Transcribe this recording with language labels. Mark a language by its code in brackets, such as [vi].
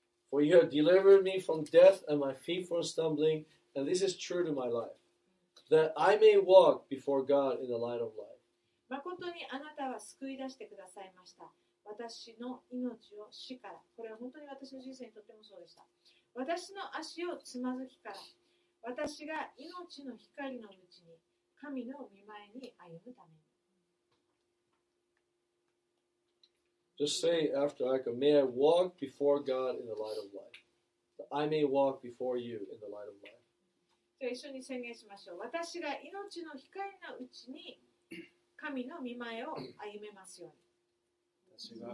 [en] For you have delivered me from death and my feet from stumbling, and this is true to my life, that I may walk before God in the light of life. [ja] 誠にあなたは救い出してくださいました。私の命を死から。これは本当に私の人生にとってもそうでした。私の足をつまずきから。私が命の光のうちに。神の御前に歩むために。 [en] Just say after Aka, may I walk before God in the light of life. I may walk before you in the light of life. [ja] じゃあ一緒に宣言しましょう。私が命の光のうちに神の御前を歩めますように。